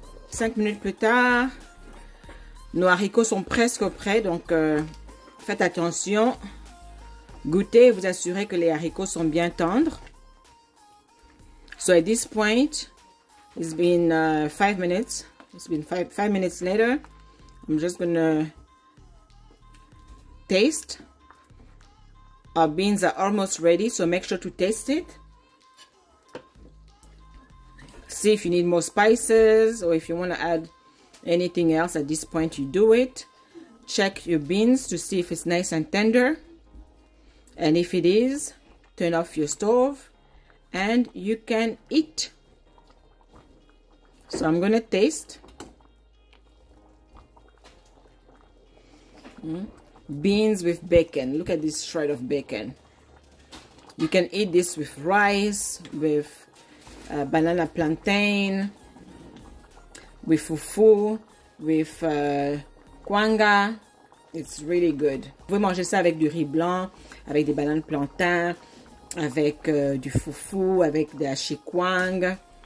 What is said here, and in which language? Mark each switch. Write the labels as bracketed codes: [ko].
[fr] 5 minutes plus tard, nos haricots sont presque prêts, donc faites attention. Goûtez et vous assurez que les haricots sont bien tendres. [en] So at this point, it's been 5 minutes. It's been 5 minutes later. I'm just gonna taste. Our beans are almost ready, so make sure to taste it. See if you need more spices or if you want to add anything else. At this point, you do it. Check your beans to see if it's nice and tender. And if it is, turn off your stove and you can eat. So I'm going to taste. Beans with bacon. Look at this shred of bacon. You can eat this with rice, with banana plantain, with fufu, with kwanga. It's really good. [fr] Vous pouvez manger ça avec du riz blanc, avec des bananes plantain, avec du fufu, avec des hachis kwang.